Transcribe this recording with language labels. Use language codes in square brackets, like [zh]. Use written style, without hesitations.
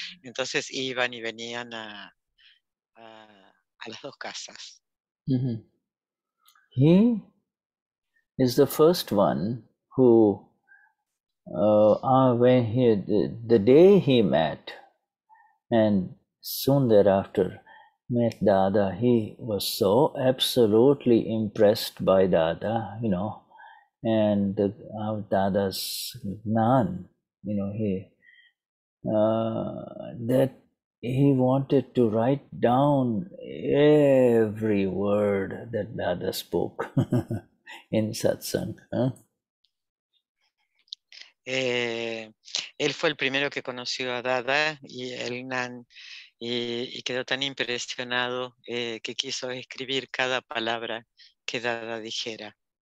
[es] Entonces iban y venían a las dos casas. [en] He is the first one who, when he, the day he met, and soon thereafter met Dada, he was so absolutely impressed by Dada, you know, and Dada's Gnan, you know, he that he wanted to write down every word that Dada spoke in satsang. [es] Él fue el primero que conoció a Dada y el Gnan, y quedó tan impresionado que quiso escribir cada palabra que Dada dijera.